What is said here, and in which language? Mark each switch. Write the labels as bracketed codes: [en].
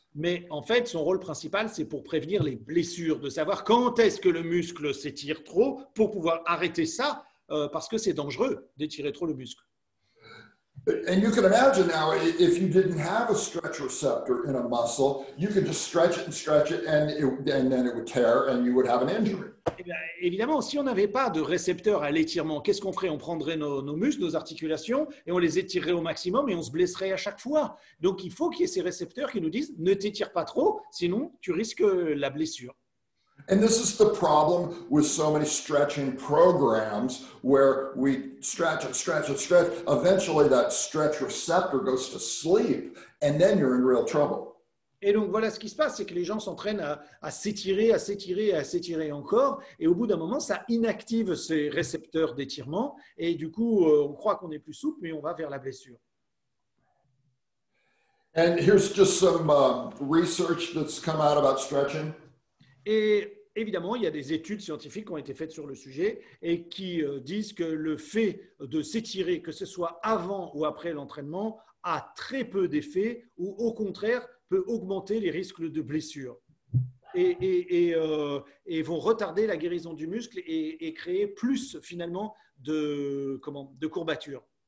[fr] Mais en fait, son rôle principal, c'est pour prévenir les blessures, de savoir quand est-ce que le muscle s'étire trop pour pouvoir arrêter ça parce que c'est dangereux d'étirer trop le muscle. [en] And you can imagine now, if you didn't have a stretch receptor in a muscle, you could just stretch it and stretch it, and then it would tear, and you would have an injury. [fr] Évidemment, si on n'avait pas de récepteur à l'étirement, qu'est-ce qu'on ferait? On prendrait nos muscles, nos articulations, et on les étirerait au maximum, et on se blesserait à chaque fois. Donc, il faut qu'il y ait ces récepteurs qui nous disent, ne t'étire pas trop, sinon tu risques la blessure. [en] And this is the problem with so many stretching programs where we stretch and stretch and stretch. Eventually, that stretch receptor goes to sleep, and then you're in real trouble. [fr] Et donc voilà ce qui se passe, c'est que les gens s'entraînent à s'étirer, à s'étirer, à s'étirer encore, et au bout d'un moment, ça inactive ces récepteurs d'étirement, et du coup, on croit qu'on est plus souple, mais on va vers la blessure. [en] And here's just some research that's come out about stretching. [fr] Et évidemment, il y a des études scientifiques qui ont été faites sur le sujet et qui disent que le fait de s'étirer, que ce soit avant ou après l'entraînement, a très peu d'effet ou au contraire peut augmenter les risques de blessure et vont retarder la guérison du muscle et créer plus finalement de courbatures.